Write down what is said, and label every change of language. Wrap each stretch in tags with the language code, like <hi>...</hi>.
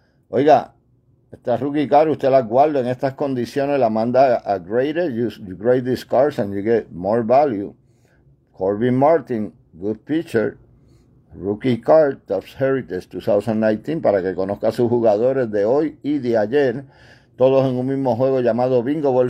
<es>Oiga, esta rookie card, usted la guarda en estas condiciones. La manda a graded.</es> <en>You grade these cards and you get more value. Corbin Martin, good pitcher.</en> <es>Rookie card, Tops Heritage 2019, para que conozca a sus jugadores de hoy y de ayer, todos en un mismo juego llamado Bingo Ball.</es>